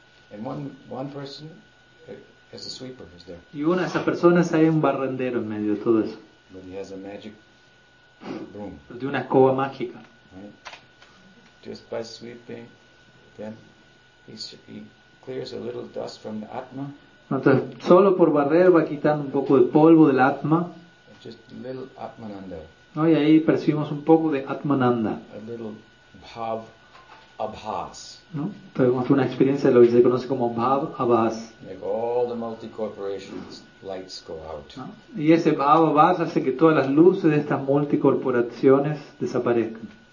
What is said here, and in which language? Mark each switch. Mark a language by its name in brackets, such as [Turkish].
[English] And one person is a sweeper, is there. [Spanish] Y una de esas personas hay un barrendero en medio de todo eso. [English] But he has a magic broom. [Spanish] Pero tiene una escoba mágica. [English] Right. Just by sweeping, then he clears a little dust from the Atma. [Spanish] Entonces, solo por barrer va quitando un poco de polvo del Atma. [English] Just a little Atmananda. [Spanish] No, y ahí percibimos un poco de Atmananda. [English] A little Bhav Abhas. [Spanish] ¿No? Tenemos una experiencia de lo que se conoce como Bhav Abhas. [English] Like all the multi-corporations lights go out. [Spanish] ¿No? Y ese Bhav Abhas hace que todas las luces de estas multicorporaciones desaparezcan.